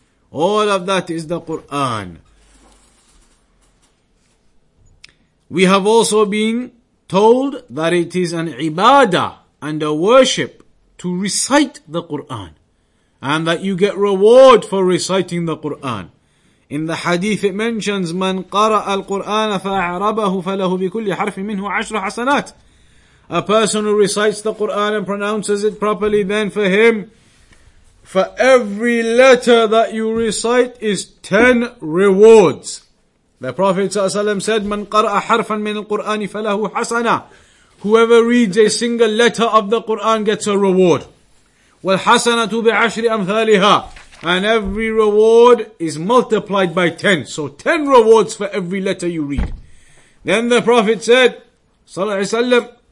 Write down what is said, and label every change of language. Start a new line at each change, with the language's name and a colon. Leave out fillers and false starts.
English: All of that is the Quran. We have also been told that it is an ibadah and a worship to recite the Quran. And that you get reward for reciting the Quran. In the hadith it mentions,
Arabic: من قرأ القرآن فأعربه فله بكل حرف منه عشر حسنات.
English: A person who recites the Quran and pronounces it properly, then for him, for every letter that you recite is 10 rewards. The Prophet ﷺ said,
Arabic: من قرأ حرفا من القرآن فله حسنة.
English: Whoever reads a single letter of the Quran gets a reward.
Arabic: وَالْحَسَنَةُ بِعَشْرِ أَمْثَالِهَا.
English: And every reward is multiplied by 10. So 10 rewards for every letter you read. Then the Prophet said,
Arabic: صلى الله عليه وسلم,